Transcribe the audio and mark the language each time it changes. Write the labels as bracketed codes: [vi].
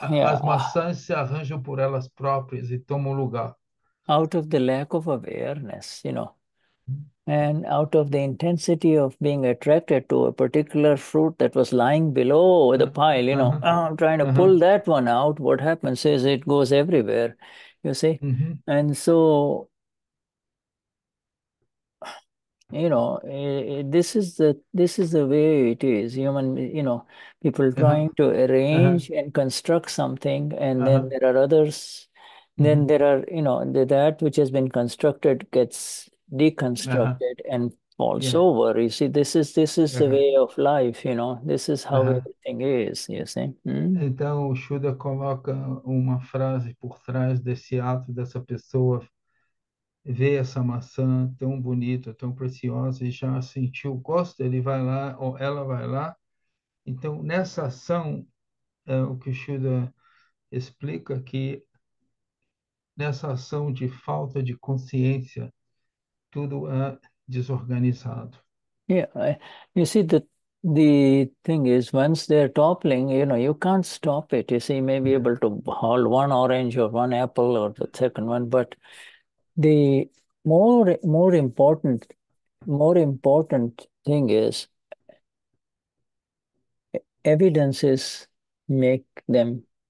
[pt] As maçãs se arranjam por elas próprias e tomam lugar. [en] out of the lack of awareness, And out of the intensity of being attracted to a particular fruit that was lying below the pile, you know, oh, trying to pull that one out, what happens is it goes everywhere, you see. And so, you know, this is the way it is. Human, you know, people trying to arrange and construct something, and then there are others. Then there are, you know, that which has been constructed gets deconstructed and falls over. You see, this is the way of life, you know. This is how everything is, you see. [pt] Então, o Shuddha coloca uma frase por trás desse ato dessa pessoa ver essa maçã tão bonita, tão preciosa e já sentiu o gosto, ele vai lá ou ela vai lá. Então, nessa ação, o que o Shuddha explica que nessa ação de falta de consciência, tudo é desorganizado. [en] You see, the thing is, once they're toppling, you know, you can't stop it. You see, you may be able to haul one orange or one apple or the second one, but the more important thing is, evidences make them.